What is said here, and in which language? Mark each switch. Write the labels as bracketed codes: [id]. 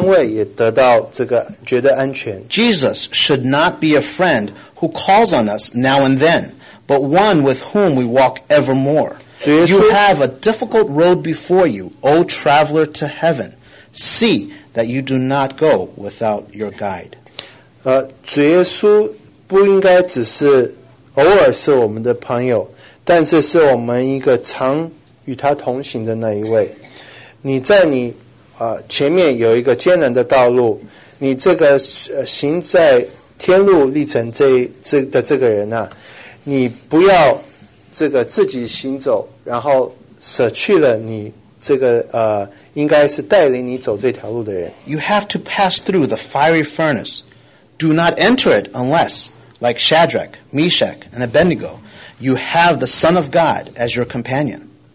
[zh] 你们不要只是偶尔来到主面前，好像只是来访问他一样，但是我们要常常寻求他的同在，因为只有当我们在他的同在里，我们能够得到安慰，也得到这个觉得安全。 [en] Jesus should not be a friend who calls on us now and then, but one with whom we walk evermore. You have a difficult road before you, O traveler to heaven. See that you do not go without your guide. [zh] 主耶稣不应该只是偶尔是我们的朋友，但是是我们一个常与他同行的那一位。你在你前面有一个艰难的道路，你这个行在天路历程这个人啊，你不要。这个自己行走，然后舍去了你这个应该是带领你走这条路的人。 [en] You have to pass through the fiery furnace. Do not enter it unless, like Shadrach, Meshach, and Abednego, you have the Son of God as your companion.